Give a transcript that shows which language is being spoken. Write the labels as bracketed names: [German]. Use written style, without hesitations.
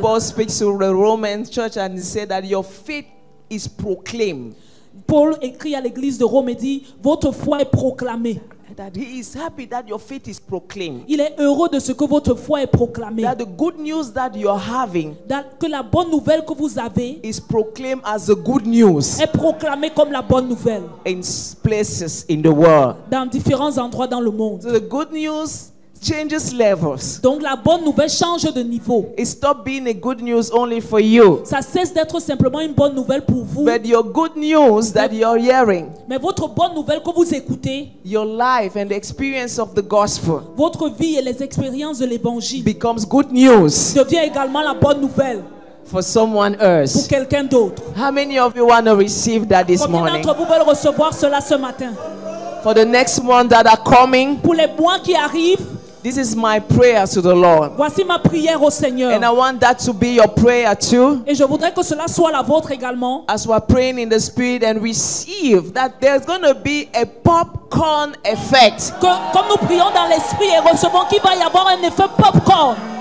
[English] Paul speaks to the Roman church and he said that your faith is proclaimed. [French] Paul écrit à l'église de Rome et dit votre foi est proclamée. [English] That he is happy that your faith is proclaimed. [French] Il est heureux de ce que votre foi est proclamée. [English] That the good news that you are having, [French] that que la bonne nouvelle que vous avez, [English] is proclaimed as the good news. [French] Est proclamée comme la bonne nouvelle. [English] In places in the world. [French] Dans différents endroits dans le monde. [English] So the good news changes levels. [French] Donc la bonne nouvelle change de niveau. [English] It stops being a good news only for you. [French] Ça cesse d'être simplement une bonne nouvelle pour vous. [English] But your good news that you're hearing. [French] Mais votre bonne nouvelle que vous écoutez. [English] Your life and the experience of the gospel. [French] Votre vie et les expériences de l'évangile. [English] Becomes good news. [French] Devient également la bonne nouvelle. [English] For someone else. [French] Pour quelqu'un d'autre. [English] How many of you want to receive that this [French] Combien [English] morning? [French] Combien d'entre vous veulent recevoir cela ce matin? [English] For the next month that are coming. [French] Pour les mois qui arrivent. [English] This is my prayer to the Lord. [French] Voici ma prière au Seigneur. [English] And I want that to be your prayer too. [French] Et je voudrais que cela soit la vôtre également. [English] As we're praying in the spirit and receive that there's going to be a popcorn effect. [French] Comme nous prions dans l'esprit et recevons qu'il va y avoir un effet popcorn.